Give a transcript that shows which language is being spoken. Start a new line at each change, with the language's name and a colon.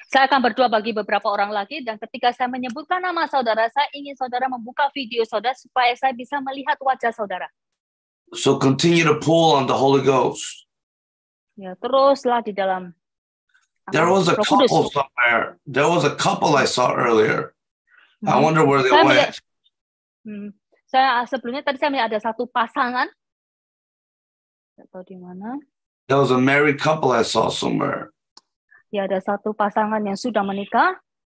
Indonesian: Saya akan berdoa bagi beberapa orang lagi, dan ketika saya menyebutkan nama saudara, saya ingin saudara membuka video saudara supaya saya bisa melihat wajah saudara.
English: So continue to pull on the Holy Ghost.
Indonesian: Ya, teruslah di dalam.
English: There was a couple somewhere. There was a couple I saw earlier. I wonder where they went.
Indonesian: Saya sebelumnya tadi saya melihat ada satu pasangan. Tidak tahu di mana.
English: There was a married couple I saw somewhere.
Indonesian: Ya, ada satu pasangan yang sudah menikah.